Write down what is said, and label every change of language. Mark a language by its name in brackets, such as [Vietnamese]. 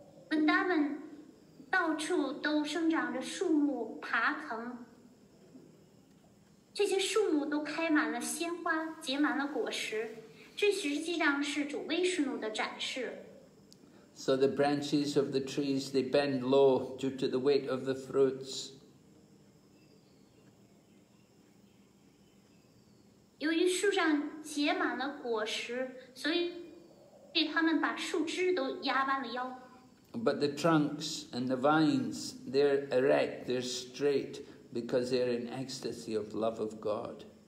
[Chinese] Vrindavan 到处都生长着树木、爬藤，这些树木都开满了鲜花，结满了果实，这实际上是主威士努的展示。 [English] So the branches of the trees, they bend low due to the weight of the fruits. [Chinese] 由于树上结满了果实，所以被他们把树枝都压弯了腰。 [English] But the trunks and the vines, they're erect, they're straight, because they're in ecstasy of love of God.